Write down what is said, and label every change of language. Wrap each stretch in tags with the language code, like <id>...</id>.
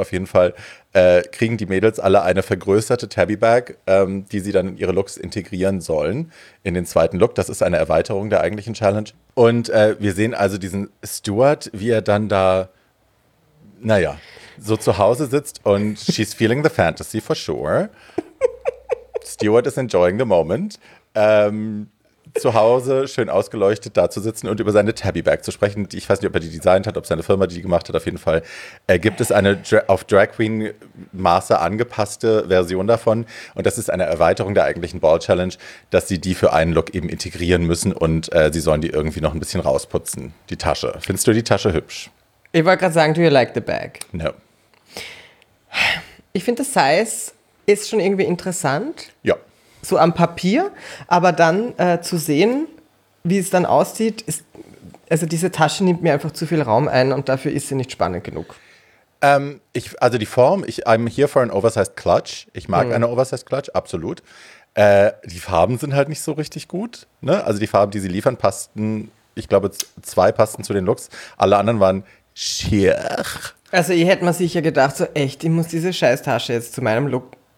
<de>Auf jeden Fall kriegen die Mädels alle eine vergrößerte Tabby Bag, die sie dann in ihre Looks integrieren sollen, in den zweiten Look. Das ist eine Erweiterung der eigentlichen Challenge. Und wir sehen also diesen Stuart, wie er dann da, naja, so zu Hause sitzt und</de> <en>she's feeling the fantasy for sure. Stuart is enjoying the moment.</en> <de>Zu Hause schön ausgeleuchtet da zu sitzen und über seine Tabby Bag zu sprechen. Ich weiß nicht, ob er die designt hat, ob seine Firma die gemacht hat. Auf jeden Fall gibt es eine auf Drag Queen Maße angepasste Version davon. Und das ist eine Erweiterung der eigentlichen Ball Challenge, dass sie die für einen Look eben integrieren müssen und sie sollen die irgendwie noch ein bisschen rausputzen. Die Tasche. Findest du die Tasche hübsch? Ich wollte gerade sagen,</de> <en>do you like the bag? No.</en> <de>Ich finde, das Size ist schon irgendwie interessant. Ja. So am Papier, aber dann zu sehen, wie es dann aussieht, ist, also diese Tasche nimmt mir einfach zu viel Raum ein und dafür ist sie nicht spannend genug.</de> <en>I'm here for an oversized clutch.</en> <de>Ich mag eine oversized clutch, absolut. Die Farben sind halt nicht so richtig gut, ne? Also die Farben, die sie liefern, passten, ich glaube, zwei passten zu den Looks. Alle anderen waren schier. Also ich hätte mir sicher gedacht, so echt, ich muss diese Scheißtasche jetzt zu meinem Look.</de>